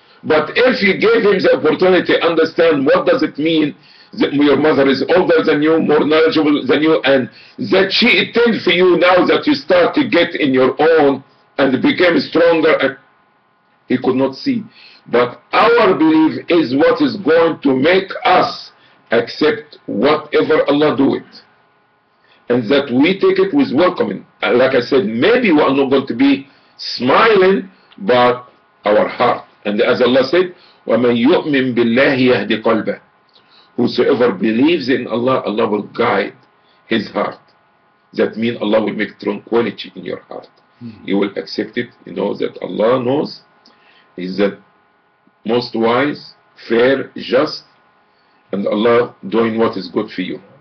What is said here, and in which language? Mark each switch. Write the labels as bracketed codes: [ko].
[en] But if you gave him the opportunity to understand what does it mean that your mother is older than you, more knowledgeable than you, and that she intends for you now that you start to get in your own and become stronger, and he could not see. But our belief is what is going to make us accept whatever Allah do it. And that we take it with welcoming. Like I said, maybe we are not going to be smiling, but our heart. And as Allah said, [ar] وَمَنْ يُؤْمِنْ بِاللَّهِ يَهْدِ قَلْبَهُ. [en] Whosoever believes in Allah, Allah will guide his heart. That means Allah will make tranquility in your heart. Mm-hmm. You will accept it. You know that Allah knows. He's the most wise, fair, just. And Allah doing what is good for you.